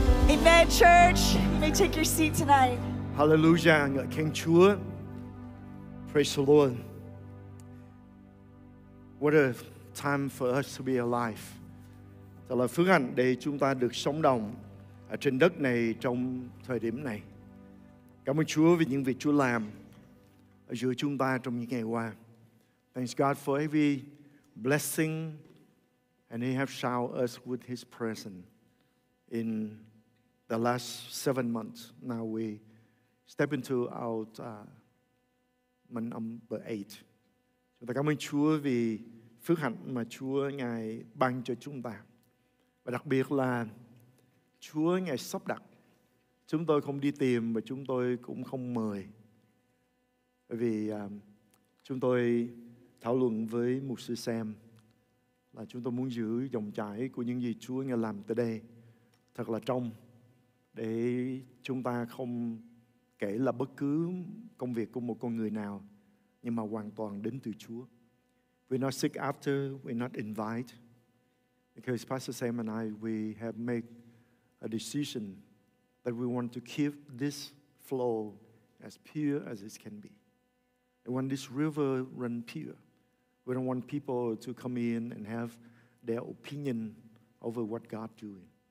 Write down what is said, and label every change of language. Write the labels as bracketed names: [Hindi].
[English] Amen, church. You may take your seat tonight. Hallelujah. King Chúa. Praise the Lord. What a time for us to be alive. [Vietnamese] Thật là phước hạnh để chúng ta được sống đồng ở trên đất này trong thời điểm này. Cảm ơn Chúa vì những việc Chúa làm ở giữa chúng ta trong những ngày qua. [English] Thanks God for every blessing and He has showered us with His presence in the last 7 months. Now we step into our month number 8. [Vietnamese] Chúng ta cảm ơn Chúa vì phước hạnh mà Chúa Ngài ban cho chúng ta. Và đặc biệt là Chúa Ngài sắp đặt. Chúng tôi không đi tìm và chúng tôi cũng không mời. Bởi vì chúng tôi thảo luận với mục sư Sam là chúng tôi muốn giữ dòng chảy của những gì Chúa Ngài làm tới đây thật là trong, để chúng ta không kể là bất cứ công việc của một con người nào, nhưng mà hoàn toàn đến từ Chúa. [English] We're not seek after, we're not invite. Because Pastor Sam and I, we have made a decision that we want to keep this flow as pure as it can be. We want this river run pure. We don't want people to come in and have their opinion over what God's doing.